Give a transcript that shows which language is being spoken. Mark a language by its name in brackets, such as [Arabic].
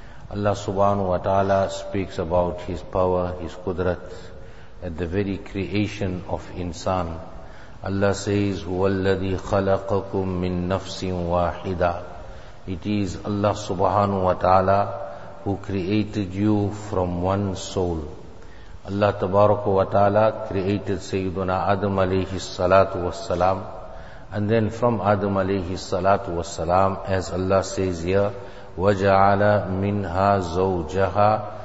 [English] Allah subhanahu wa ta'ala speaks about His power, His qudrat, at the very creation of insan. Allah says, [Arabic] وَالَّذِي خَلَقَكُم مِّن نَفْسٍ وَاحِدًا. [English] It is Allah subhanahu wa ta'ala who created you from one soul. Allah tabaraka wa ta'ala created Sayyiduna Adam alayhi salatu wa salam. And then from Adam alayhi salatu wa salam, as Allah says here, [Arabic] وَجَعَلَ مِنْهَا زَوْجَهَا.